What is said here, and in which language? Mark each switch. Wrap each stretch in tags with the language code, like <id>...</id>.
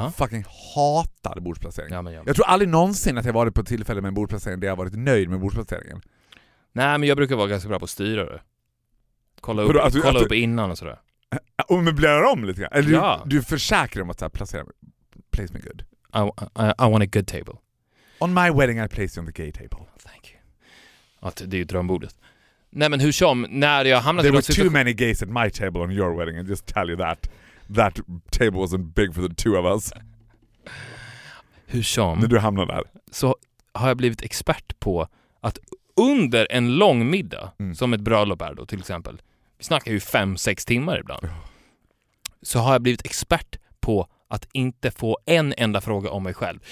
<sv>fucking hatar bordsplacering. Jag tror aldrig någonsin att jag varit på ett tillfälle med en bordsplacering där jag varit nöjd med bordsplaceringen. Nej, men jag brukar vara ganska bra på att styra det. Kolla upp innan och sådär. Och möblera om lite grann. Eller du försäkrar om att placera mig.</sv> <en>Place me good. I want a good table. On my wedding I place you on the gay table. Thank you.</en> <sv>Att det är ju drömbordet. Nej, men hur som, när jag hamnade...</sv> <en>There were too many gays at my table on your wedding. I just tell you that. That table wasn't big for the two of us.</en> <sv>Hur som... När du hamnade där. Så har jag blivit expert på att under en lång middag, som ett bröllop är då till exempel, vi snackar ju 5-6 timmar ibland, så har jag blivit expert på att inte få en enda fråga om mig själv.</sv>